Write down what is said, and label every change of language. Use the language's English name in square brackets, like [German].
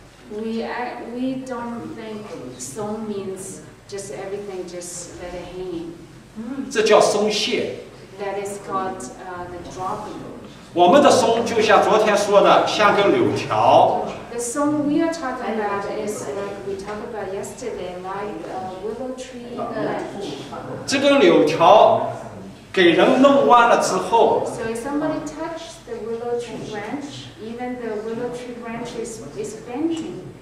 [English] We don't think song means just everything just let it hang. [Chinese] 这叫松懈。 [English] That is called the dropping. [Chinese] 我们的松就像昨天说的，像根柳条。 [English] The song we are talking about is like we talked about yesterday, like a willow tree in the light. [Chinese] 这根柳条。给人弄弯了之后, [English] so if somebody touched the willow tree branch, even the willow tree branch is bending.